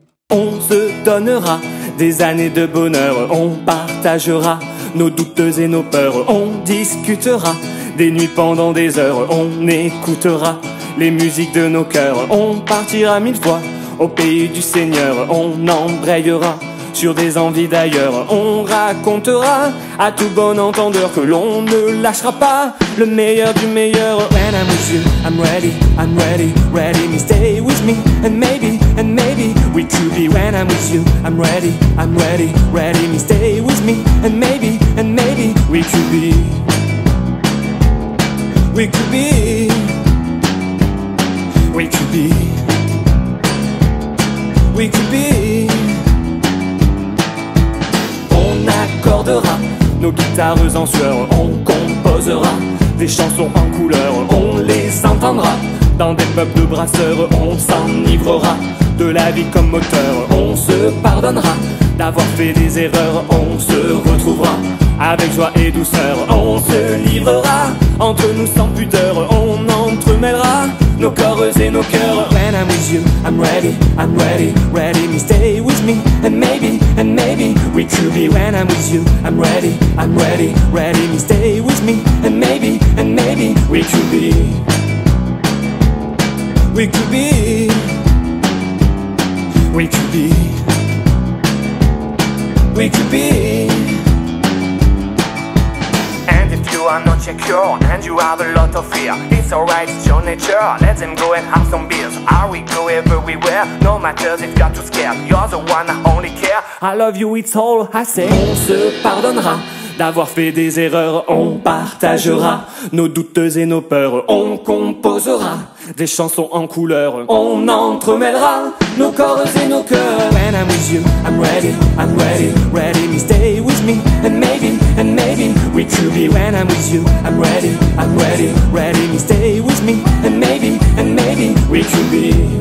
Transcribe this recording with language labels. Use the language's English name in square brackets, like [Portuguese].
[French] On se donnera des années de bonheur, on partagera nos doutes et nos peurs, on discutera des nuits pendant des heures, on écoutera les musiques de nos cœurs, on partira mille fois au pays du Seigneur, on embrayera sur des envies d'ailleurs, on racontera à tout bon entendeur que l'on ne lâchera pas le meilleur du meilleur. [English] When I'm with you, I'm ready, ready me, stay with me, and maybe, we could be. When I'm with you, I'm ready, ready me, stay with me, and maybe, we could be. We could be. We could be. We could be. [French] On accordera nos guitares en sueur, on composera des chansons en couleur, on les entendra dans des pubs de brasseurs, on s'enivrera de la vie comme moteur, on se pardonnera d'avoir fait des erreurs, on se retrouvera avec joie et douceur, on se livrera entre nous sans pudeur, on entremêlera nos corps et nos cœurs. [English] When I'm with you, I'm ready, ready me, stay with me, and maybe, we could be. When I'm with you, I'm ready, ready me, stay with me, and maybe, we could be. We could be. We could be. We could be. You are not secure, and you have a lot of fear. It's alright, it's your nature. Let them go and have some beers. Are we go everywhere? No matter if you're too scared. You're the one I only care. I love you, it's all I say. [French] On se pardonnera d'avoir fait des erreurs. On partagera nos doutes et nos peurs. On composera des chansons en couleur. On entremêlera nos corps et nos cœurs. [English] When I'm with you, I'm ready, ready me, stay with me, and maybe we could be. When I'm with you, I'm ready, ready me, stay with me, and maybe we could be.